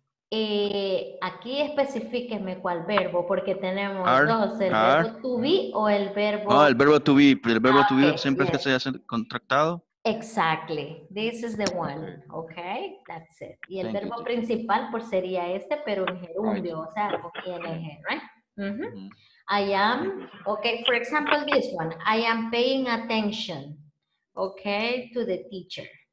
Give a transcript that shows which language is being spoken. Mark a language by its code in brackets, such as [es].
[es] Aquí especifíqueme cuál verbo, porque tenemos dos, el verbo to be o el verbo... Ah, el verbo to be, el verbo to be siempre es que se hace contractado. [en] Exactly, this is the one, okay, that's it. [es] Y el verbo principal, pues sería este, pero en gerundio, o sea, con ing, right? [en] I am, okay, for example, this one, I am paying attention, okay, to the teacher.